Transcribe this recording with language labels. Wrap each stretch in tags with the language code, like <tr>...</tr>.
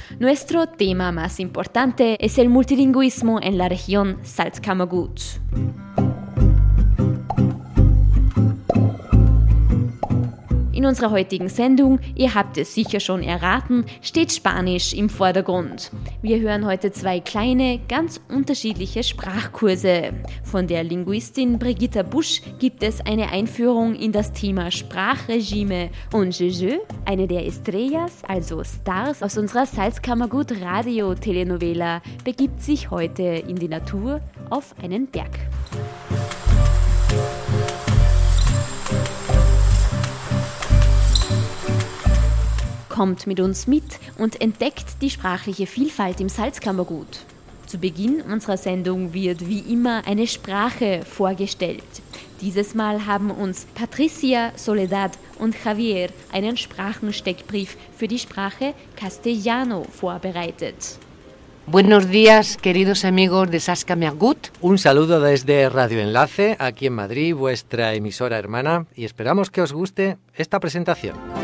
<es>Nuestro tema más importante es el multilingüismo en la región Salzkammergut.</es> <de>In unserer heutigen Sendung, ihr habt es sicher schon erraten, steht Spanisch im Vordergrund. Wir hören heute zwei kleine, ganz unterschiedliche Sprachkurse. Von der Linguistin Brigitta Busch gibt es eine Einführung in das Thema Sprachregime und Jeje, eine der Estrellas, also Stars aus unserer Salzkammergut-Radio-Telenovela, begibt sich heute in die Natur auf einen Berg. Kommt mit uns mit und entdeckt die sprachliche Vielfalt im Salzkammergut. Zu Beginn unserer Sendung wird wie immer eine Sprache vorgestellt. Dieses Mal haben uns Patricia, Soledad und Javier einen Sprachensteckbrief für die Sprache Castellano vorbereitet.</de> <es>Buenos días, queridos amigos de Salzkammergut. Un saludo desde Radio Enlace, aquí en Madrid, vuestra emisora hermana, y esperamos que os guste esta presentación.</es>